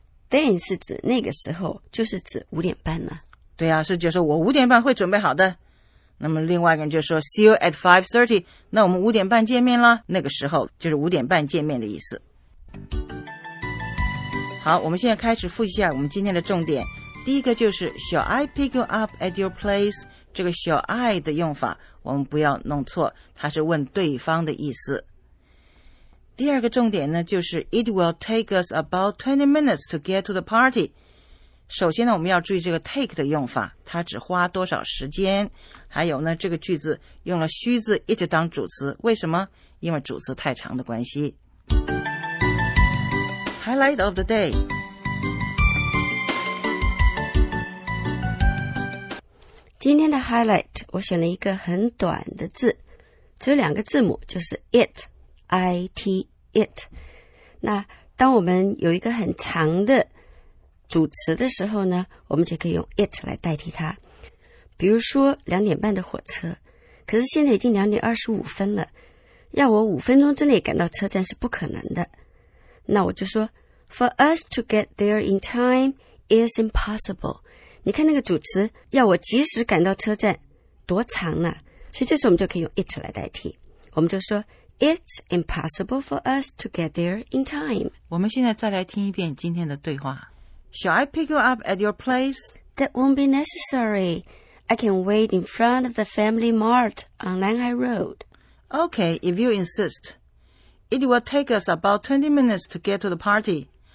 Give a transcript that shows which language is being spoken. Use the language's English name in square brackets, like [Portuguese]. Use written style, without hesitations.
[Chinese] Then 是指那个时候就是指五点半了。对啊是就是说我五点半会准备好的。那么另外一个人就说 [English] See you at 5:30, [Chinese] 那我们五点半见面了那个时候就是五点半见面的意思。好我们现在开始复习一下我们今天的重点。第一个就是 [English] Shall I pick you up at your place? [Chinese] 这个 Shall I 的用法我们不要弄错它是问对方的意思。第二个重点呢就是 [English] It will take us about 20 minutes to get to the party [Chinese] 首先呢我们要注意这个 take 的用法它只花多少时间还有呢这个句子用了虚字 it 当主词为什么因为主词太长的关系 [English] Highlight of the day [Chinese] 今天的 highlight 我选了一个很短的字只有两个字母就是 itIT, it. 那当我们有一个很长的主词的时候呢我们就可以用 it 来代替它。比如说两点半的火车可是现在已经2:25了要我五分钟之内赶到车站是不可能的。那我就说 [English] ,for us to get there in time is impossible. [Chinese] 你看那个主词要我及时赶到车站多长呢所以这时候我们就可以用 it 来代替。我们就说 [English] It's impossible for us to get there in time. [Chinese] 我们现在再来听一遍今天的对话。 [English] Shall I pick you up at your place? That won't be necessary. I can wait in front of the family mart on Langhai Road. Okay, if you insist. It will take us about 20 minutes to get to the party.